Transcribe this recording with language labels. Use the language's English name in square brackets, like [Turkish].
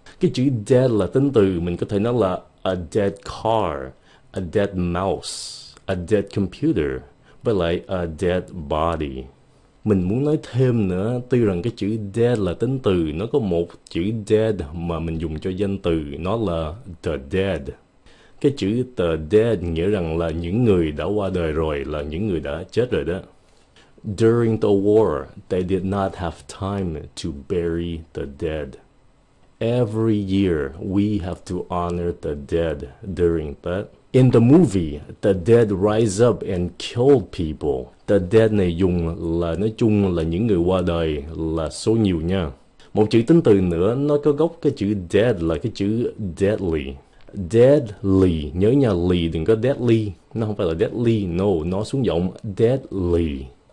[Vietnamese] Cái chữ dead là tính từ, mình có thể nói là a dead car, a dead mouse, a dead computer, but like a dead body. Mình muốn nói thêm nữa, tuy rằng cái chữ dead là tính từ, nó có một chữ dead mà mình dùng cho danh từ, nó là the dead. Cái chữ the dead nghĩa rằng là những người đã qua đời rồi, là những người đã chết rồi đó. [English] During the war, they did not have time to bury the dead. Every year, we have to honor the dead during that. In the movie, the dead rise up and kill people. [Vietnamese] The dead này dùng là nói chung là những người qua đời là số nhiều nha. Một chữ tính từ nữa, nó có gốc cái chữ dead là cái chữ deadly. Deadly, nhớ nha, ly đừng có deadly. Nó không phải là deadly, no, nó xuống giọng deadly.